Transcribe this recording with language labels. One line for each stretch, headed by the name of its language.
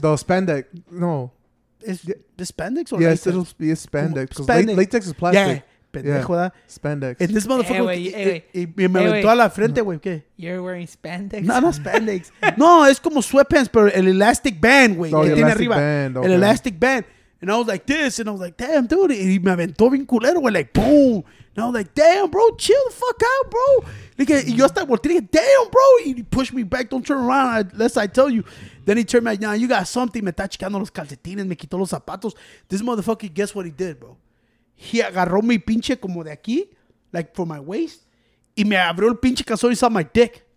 English: The spandex. No. Is the spandex or yes, latex? Yes, it'll be a spandex. Spandex. Latex is plastic. Yeah. Pendejo, yeah. Spandex. And this motherfucker,
Spanish: hey, wey, hey, me aventó a la frente, güey. ¿Qué?
English: You're wearing spandex? No, no spandex.
Spanish: No, es como sweatpants, pero el elastic band, güey. Oh, tiene arriba. Band, okay. El elastic band.
English: And I was like this, and I was like, damn, dude.
Spanish: Y me aventó bien culero, güey.
English: Like, boom. And I was like, damn, bro, chill the fuck out, bro. Like,
Spanish: y yo hasta volteé,
English: like, damn, bro. And he pushed me back. Don't turn around unless I tell you. Then he turned me like, nah, you got something.
Spanish: Me está chicando los calcetines. Me quitó los zapatos.
English: This motherfucker, guess what he did, bro?
Spanish: He agarró mi pinche como de aquí,
English: like for my waist,
Spanish: y me abrió el pinche calzón y
English: saw my dick.